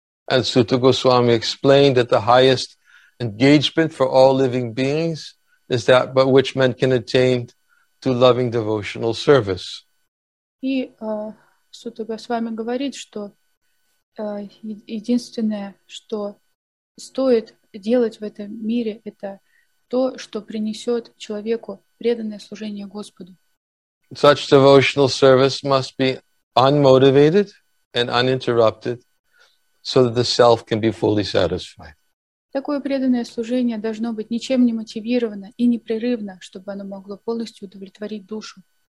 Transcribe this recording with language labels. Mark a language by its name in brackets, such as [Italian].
[English] And Sutta Goswami explained that the highest engagement for all living beings is that by which men can attain to loving devotional service. [Russian] И Сута Госвами говорит, что Единственное, что стоит делать в этом мире, это то, что принесет человеку преданное служение Господу. [English] Such devotional service must be unmotivated and uninterrupted, so that the self can be fully satisfied. [Russian] Такое преданное служение должно быть ничем не мотивировано и непрерывно, чтобы оно могло полностью удовлетворить душу.